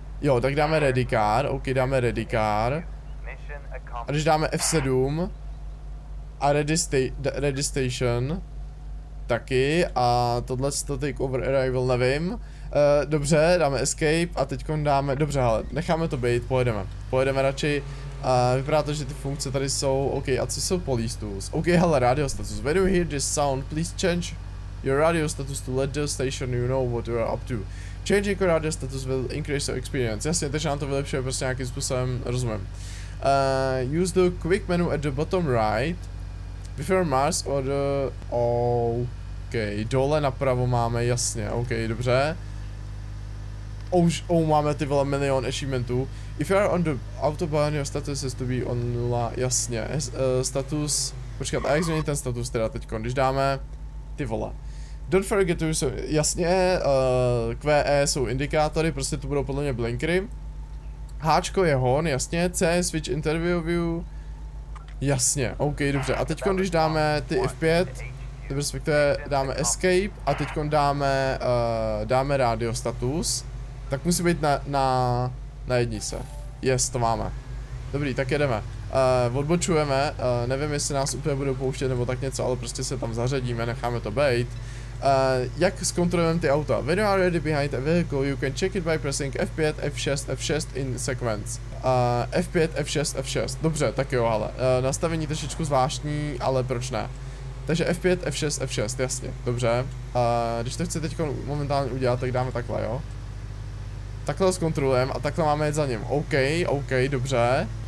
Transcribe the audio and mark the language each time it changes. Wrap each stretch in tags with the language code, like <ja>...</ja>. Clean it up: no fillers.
<cs>Jo, tak dáme ready car, OK, dáme ready car. A když dáme F7 a ready station, taky, a tohle to take over arrival, nevím. Dobře, dáme escape a teďkon dáme, dobře, ale necháme to být, pojedeme radši. Vypadá to, že ty funkce tady jsou, OK, a co jsou police tools?</cs> <en>OK, hele, radio status, when you hear this sound, please change your radio status to let the station you know what you are up to. Changing your radio status will increase your experience.</en> <cs>Jasně, takže nám to vylepšuje prostě nějakým způsobem, rozumím.</cs> <en>Use the quick menu at the bottom right, before Mars or the, OK,</en> <cs>dole napravo máme, jasně,</cs> <en>OK, dobře.</en> <cs>Oh, máme ty vole milion achievementů.</cs> <en>If you are on the autobahn, your status has to be on</en> <cs>nula, jasně, status, počkat, a jak změní ten status teda teďko, když dáme, ty vole.</cs> <en>Don't forget to, so,</en> <cs>jasně, QE jsou indikátory, prostě to budou podle mě blinkery. Háčko je hon, jasně, C, switch interview view, jasně, OK, dobře, a teďko, když dáme ty F5, respektive dáme escape, a teďko dáme, dáme radio status. Tak musí být na jednice. Yes, to máme. Dobrý, tak jedeme. odbočujeme, nevím, jestli nás úplně budou pouštět nebo tak něco, ale prostě se tam zařadíme, necháme to bejt. Jak zkontrolujeme ty auta?</cs> <en>When you are ready behind a vehicle, you can check it by pressing F5, F6, F6 in sequence. F5, F6, F6.</en> <cs>Dobře, tak jo, ale nastavení trošičku zvláštní, ale proč ne? Takže F5, F6, F6, jasně, dobře. Když to chci teď momentálně udělat, tak dáme takhle, jo. Takhle ho zkontrolujeme a takhle máme jet za ním. OK, OK, dobře.</cs>